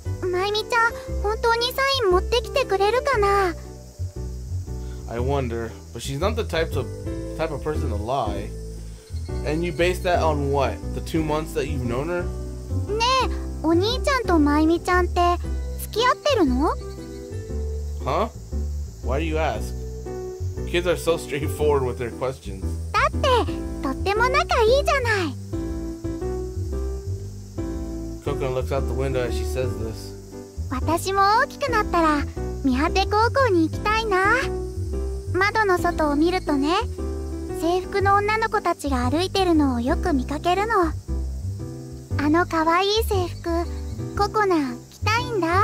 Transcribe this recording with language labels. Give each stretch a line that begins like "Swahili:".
Japanese: マイミちゃん、本当にサイン持ってきてくれるかな。
English: I wonder, but she's not the type of person to lie. And you base that on what? The 2 months that you've known her?
Japanese: ねえ、お兄ちゃんとマイミちゃんって付き合ってるの？
English: Huh? Why do you ask? Kids are so straightforward with their questions.
Japanese: だって、とっても仲いいじゃない。
English: Kokona looks out the window as she says this.
Japanese: 私も大きくなったら見果て高校に行きたいな。窓の外を見るとね、制服の女の子たちが歩いてるのをよく見かけるの。あの可愛い制服、ココナ着たいんだ。